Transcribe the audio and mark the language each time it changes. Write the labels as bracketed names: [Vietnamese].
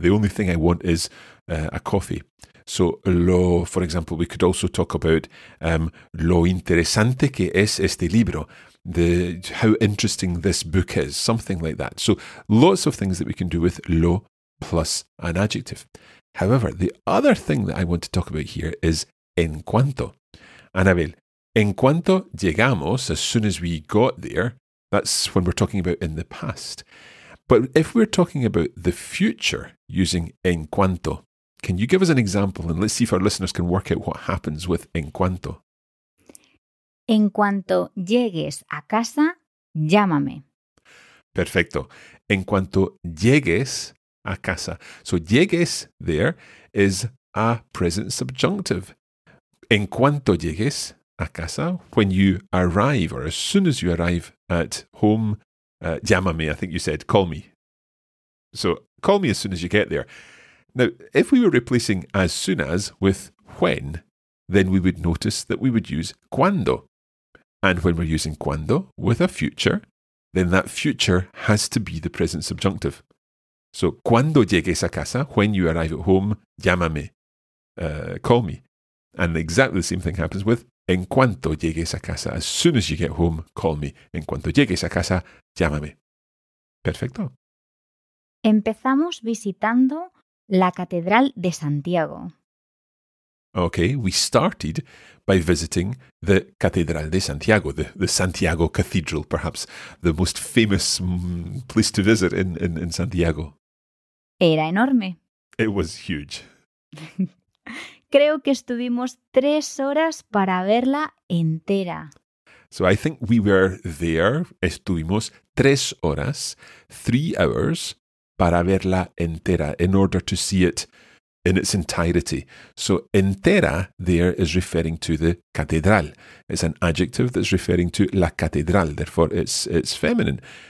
[English] The only thing I want is a coffee. So, for example, we could also talk about [Spanish] lo interesante que es este libro. [English] How interesting this book is. Something like that. So, lots of things that we can do with lo plus an adjective. However, the other thing that I want to talk about here is en cuanto. Anabel, [Spanish] en cuanto llegamos, [English] as soon as we got there, that's when we're talking about in the past. But if we're talking about the future using en cuanto, can you give us an example and let's see if our listeners can work out what happens with en cuanto? [Spanish] En cuanto llegues a casa, llámame. Perfecto. En cuanto llegues a casa. [English] So llegues there is a present subjunctive. [Spanish] En cuanto llegues a casa, [English] when you arrive or as soon as you arrive at home, [Spanish] llámame, [English] I think you said, call me. So, call me as soon as you get there. Now, if we were replacing as soon as with when, then we would notice that we would use cuando. And when we're using cuando with a future, then that future has to be the present subjunctive. So, [Spanish] cuando llegues a casa, [English] when you arrive at home, [Spanish] llámame, [English] call me. And exactly the same thing happens with [Spanish] en cuanto llegues a casa. [English] As soon as you get home, call me. [Spanish] En cuanto llegues a casa, llámame. Perfecto. Empezamos visitando la Catedral de Santiago. [English] Okay, we started by visiting the Catedral de Santiago, the Santiago Cathedral, perhaps the most famous place to visit in Santiago. [Spanish] Era enorme. [English] It was huge. [Spanish] Creo que estuvimos 3 horas para verla entera. [English] So I think we were there, [Spanish] estuvimos 3 horas, [English] 3 hours, [Spanish] para verla entera, [English] in order to see it in its entirety. So entera there is referring to the catedral. It's an adjective that's referring to la catedral, therefore it's feminine.